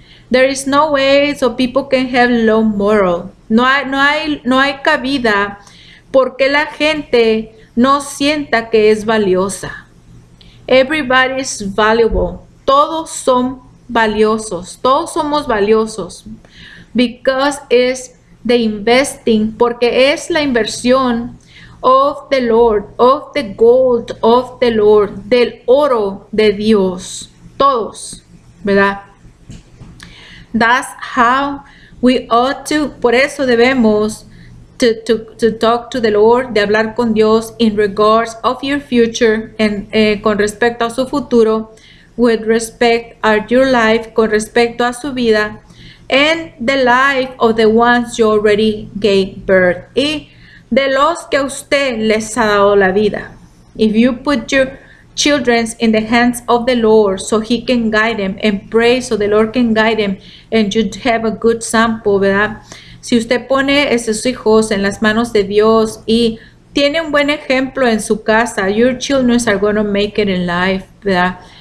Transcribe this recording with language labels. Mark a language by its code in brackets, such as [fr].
[en] There is no way so people can have low moral. [es] No hay cabida porque la gente no sienta que es valiosa. [en] Everybody is valuable. [es] Todos son valiosos. Todos somos valiosos. [en] Because it's the investing, [es] porque es la inversión [en] of the Lord, of the gold of the Lord, [es] del oro de Dios, todos, ¿verdad? [en] That's how We ought to, [es] por eso debemos [en] to talk to the Lord, [es] de hablar con Dios [en] in regards of your future, and [es] con respecto a su futuro, [en] with respect to your life, [es] con respecto a su vida, [en] and the life of the ones you already gave birth. [es] Y de los que usted les ha dado la vida. [en] If you put your children in the hands of the Lord so he can guide them and pray so the Lord can guide them and you have a good sample, ¿verdad? [es] Si usted pone esos hijos en las manos de Dios y tiene un buen ejemplo en su casa, [en] your children are going to make it in life, [es] ¿verdad?